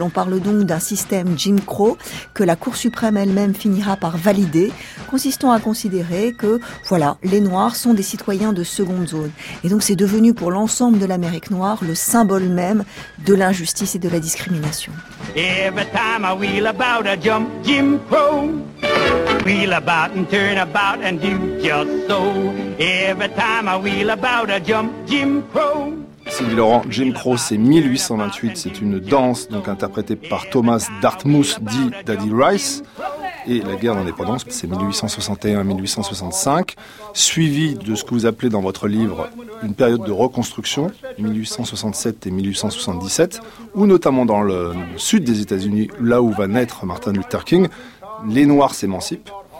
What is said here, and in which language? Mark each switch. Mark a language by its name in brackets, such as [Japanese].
[French] On parle donc d'un système Jim Crow que la Cour suprême elle-même finira par valider, consistant à considérer que, voilà, les Noirs sont des citoyens de seconde zone. Et donc c'est devenu pour l'ensemble de l'Amérique noire le symbole même de l'injustice et de la discrimination. [English] Every time I wheel about, I jump Jim Crow. Wheel about and turn about and do just so. Every time I wheel about, I jump Jim Crow. [French] Sylvie Laurent, Jim Crow, c'est 1828, c'est une danse donc interprétée par Thomas Dartmouth, dit Daddy Rice. Et la guerre d'indépendance, c'est 1861-1865, suivie de ce que vous appelez dans votre livre une période de reconstruction, 1867 et 1877, où notamment dans le sud des États-Unis, là où va naître Martin Luther King, les Noirs s'émancipent.